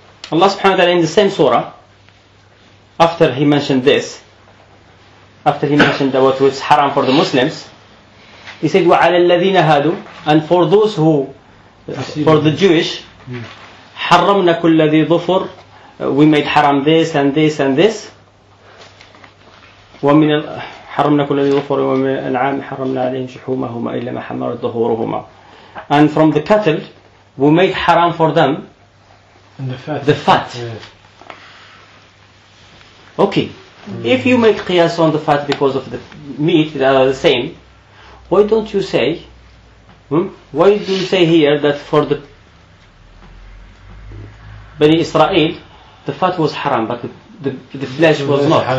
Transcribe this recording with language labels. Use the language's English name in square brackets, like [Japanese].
[English] Allah subhanahu wa ta'ala in the same surah, after he mentioned this, after he mentioned about what's haram for the Muslims, he said, [Arabic] وَعَلَى الَّذِينَ هَادُوا, [English] and for those who For the Jewish, [Arabic] حرمنا كل ذي ظفر. [English] We made haram this and this and this. [Arabic] ومن حرمنا كل ذي ظفر ومن الأنعام حرمنا عليهم شحومهما إلا ما حملت ظهورهما. [English] And from the cattle, we made haram for them. And the fat. The fat. Yeah. Okay. If you make qiyas on the fat because of the meat that are the same, why don't you say? Why do you say here that for the Bani Israel, the fat was haram, but the flesh was not?